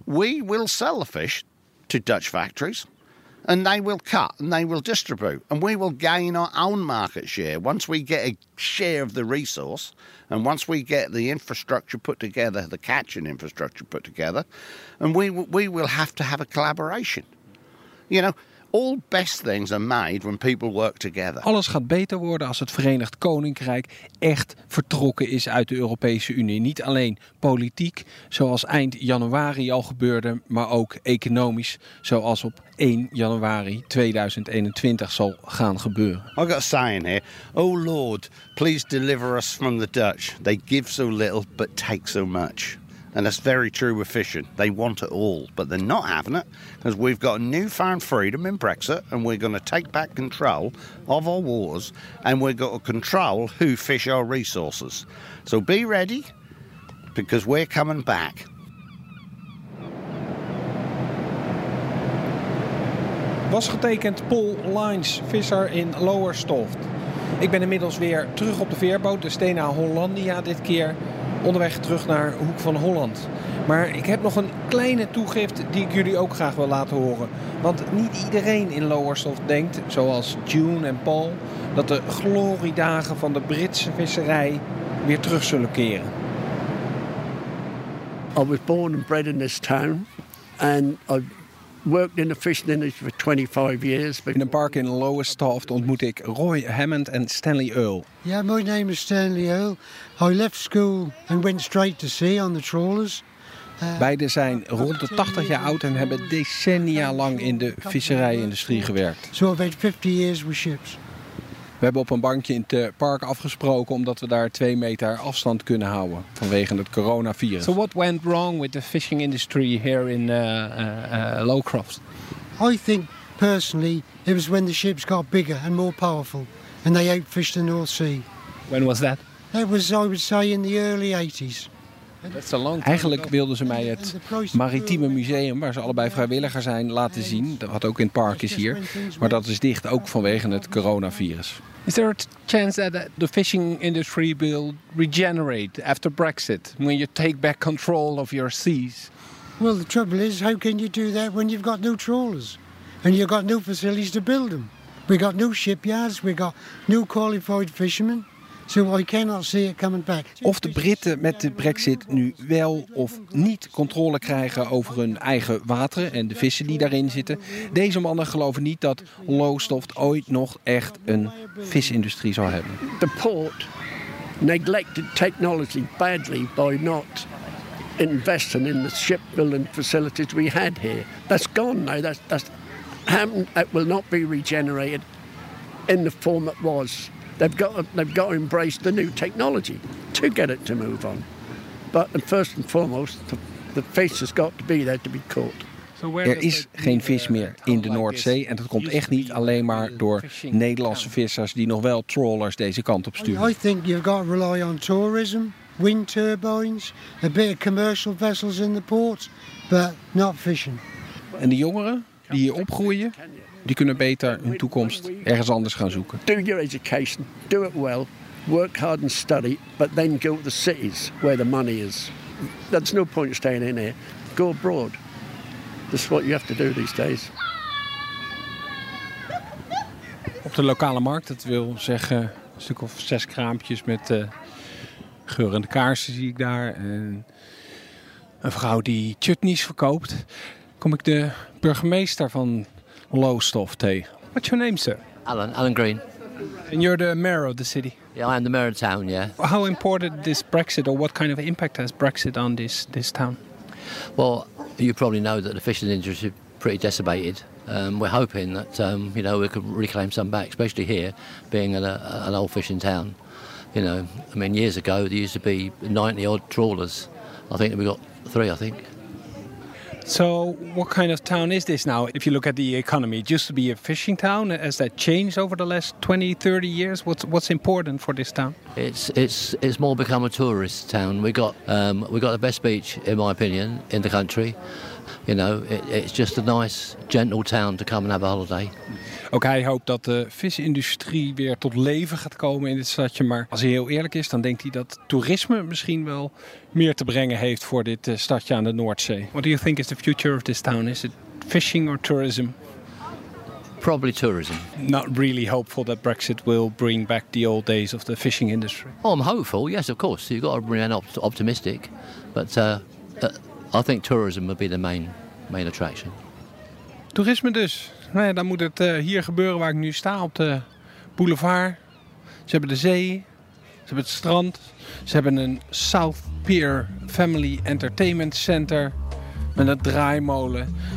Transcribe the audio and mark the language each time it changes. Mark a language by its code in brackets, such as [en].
[en] We will sell the fish to Dutch factories, and they will cut and they will distribute, and we will gain our own market share once we get a share of the resource, and once we get the infrastructure put together, the catching infrastructure put together, and we will have to have a collaboration. You know, all best things are made when people work together. [nl] Alles gaat beter worden als het Verenigd Koninkrijk echt vertrokken is uit de Europese Unie. Niet alleen politiek, zoals eind januari al gebeurde, maar ook economisch, zoals op 1 januari 2021 zal gaan gebeuren. [en] I got a saying here. Oh Lord, please deliver us from the Dutch. They give so little, but take so much. And that's very true with fishing. They want it all, but they're not having it because we've got newfound freedom in Brexit and we're going to take back control of our waters and we've got to control who fish our resources. So be ready because we're coming back. [nl] Was getekend Paul Lines, visser in Lowestoft. Ik ben inmiddels weer terug op de veerboot, de Stena Hollandia dit keer. Onderweg terug naar Hoek van Holland. Maar ik heb nog een kleine toegift die ik jullie ook graag wil laten horen. Want niet iedereen in Lowestoft denkt, zoals June en Paul, dat de gloriedagen van de Britse visserij weer terug zullen keren. [en] I was born and bred in this town. And I worked in the fishing industry for 25 years. [nl] In een park in Lowestoft ontmoet ik Roy Hammond en Stanley Earle. [en] Yeah, my name is Stanley Earle. I left school and went straight to sea on the trawlers. [nl] Beide zijn rond de 80 jaar oud en hebben decennia lang in de visserijindustrie gewerkt. [en] So I've had 50 years with ships. [nl] We hebben op een bankje in het park afgesproken omdat we daar 2 meter afstand kunnen houden vanwege het coronavirus. [en] So what went wrong with the fishing industry here in Lowcroft? I think personally it was when the ships got bigger and more powerful and they outfished the North Sea. When was that? That was, I would say, in the early 80s. That's a long time. [nl] Eigenlijk wilden ze mij het Maritieme Museum, waar ze allebei vrijwilliger zijn, laten zien. Wat ook in het park is hier. Maar dat is dicht, ook vanwege het coronavirus. [en] Is there a chance that the fishing industry will regenerate after Brexit? When you take back control of your seas? Well, the trouble is, how can you do that when you've got no trawlers? And you've got no facilities to build them? We got no shipyards, we got no qualified fishermen. So I cannot see it coming back. [nl] Of de Britten met de Brexit nu wel of niet controle krijgen over hun eigen wateren en de vissen die daarin zitten. Deze mannen geloven niet dat Lowestoft ooit nog echt een visindustrie zal hebben. [en] The port neglected technology badly by not investing in the shipbuilding facilities we had here. That's gone now. That's happened. It will not be regenerated in the form it was. They've got to embrace the new technology to get it to move on. But first and foremost, the fish has got to be there to be caught. [nl] Er is geen vis meer in de Noordzee. En dat komt echt niet alleen maar door Nederlandse vissers die nog wel trawlers deze kant op sturen. [en] I think you've got to rely on tourism, wind turbines, a bit of commercial vessels in the port, but not fishing. [nl] En de jongeren die hier opgroeien, die kunnen beter hun toekomst ergens anders gaan zoeken. [en] Do your education, do it well, work hard and study, but then go to the cities where the money is. There's no point staying in here. Go abroad. This is what you have to do these days. [nl] Op de lokale markt, dat wil zeggen een stuk of 6 kraampjes met geurende kaarsen zie ik daar. En een vrouw die chutneys verkoopt. Kom ik de burgemeester van Lowestoft tegen. [en] What's your name, sir? Alan Green. And you're the mayor of the city? Yeah, I am the mayor of town, yeah. How important is Brexit, or what kind of impact has Brexit on this town? Well, you probably know that the fishing industry is pretty decimated. We're hoping that, you know, we could reclaim some back, especially here, being an old fishing town. You know, I mean, years ago, there used to be 90-odd trawlers. I think we've got three, I think. So what kind of town is this now, if you look at the economy? It used to be a fishing town. Has that changed over the last 20, 30 years? What's important for this town? It's more become a tourist town. We got the best beach, in my opinion, in the country. You know, it's just a nice, gentle town to come and have a holiday. [nl] Ook hij hoopt dat de visindustrie weer tot leven gaat komen in dit stadje. Maar als hij heel eerlijk is, dan denkt hij dat toerisme misschien wel meer te brengen heeft voor dit stadje aan de Noordzee. [en] What do you think is the future of this town? Is it fishing or tourism? Probably tourism. Not really hopeful that Brexit will bring back the old days of the fishing industry. Oh, I'm hopeful, yes, of course. You've got to remain optimistic. But I think tourism would be the main attraction. [nl] Toerisme dus. Nou ja, dan moet het hier gebeuren waar ik nu sta, op de boulevard. Ze hebben de zee, ze hebben het strand, ze hebben een South Pier Family Entertainment Center met een draaimolen.